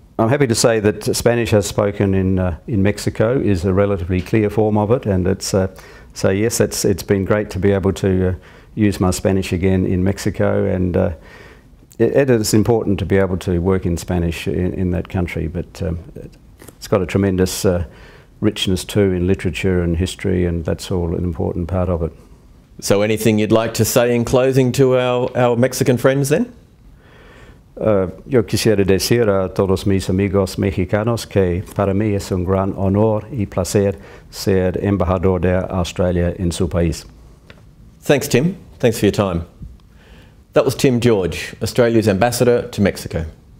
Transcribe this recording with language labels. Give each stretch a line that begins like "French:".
English: I'm happy to say that Spanish as spoken in Mexico is a relatively clear form of it, and it's so yes, it's been great to be able to use my Spanish again in Mexico, and it's important to be able to work in Spanish in that country, but it's got a tremendous richness too in literature and history, and that's all an important part of it. So anything you'd like to say in closing to our Mexican friends then?
Spanish: Yo quisiera decir a todos mis amigos mexicanos que para mí es un gran honor y placer ser embajador de Australia en su país.
English: Thanks, Tim. Thanks for your time. That was Tim George, Australia's ambassador to Mexico.